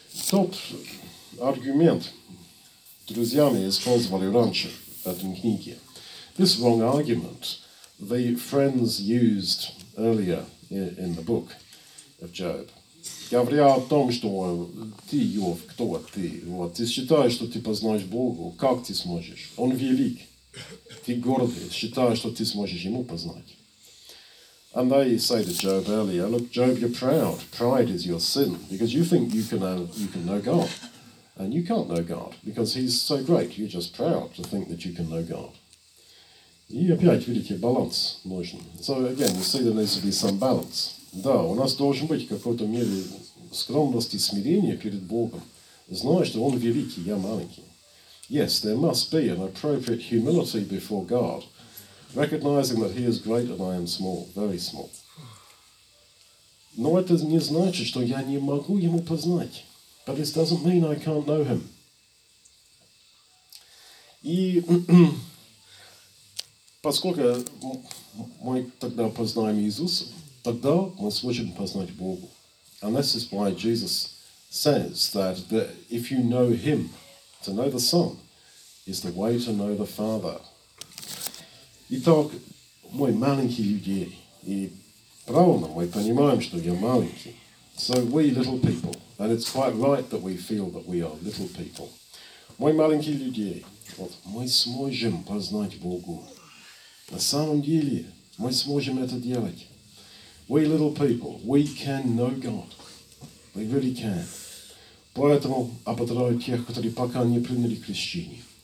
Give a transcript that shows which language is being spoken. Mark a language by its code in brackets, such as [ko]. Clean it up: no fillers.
[ru] Тот аргумент, друзьями, использовали раньше в этом книге. [en] This wrong argument the friends used earlier in the book of Job. [ru] Говоря о том, что ты, Иов, кто ты? Вот, ты считаешь, что ты познаешь Бога? Как ты сможешь? Он велик. Ты гордый. Считаешь, что ты сможешь Ему познать. [en] And they say to Job earlier, look, Job, you're proud. Pride is your sin. Because you think you can know God. And you can't know God. Because He's so great. You're just proud to think that you can know God. [ru] И опять, видите, баланс нужен. [en] So again, you see there needs to be some balance. [ru] Да, у нас должен быть какой-то мере скромности и смирения перед Богом. Знаешь, что Он великий, я маленький. [en] Yes, there must be an appropriate humility before God, recognizing that He is great and I am small, very small. [ru] Но это не значит, что я не могу Ему познать. [en] But this doesn't mean I can't know Him. [ru] И поскольку мы тогда познаем Иисуса, тогда мы сможем познать Бога. [en] And this is why Jesus says that if you know Him, to know the Son is the way to know the Father. [ru] Итак, мы маленькие люди. И правильно, мы понимаем, что я маленький. [en] So we little people, And it's quite right that we feel that we are little people. [ru] Мой маленький людей, вот мы сможем познать Бога. На самом деле, мы сможем это делать. [en] We little people, we can know God. We really can. [ru] Поэтому ободряю тех, которые пока не приняли крещение.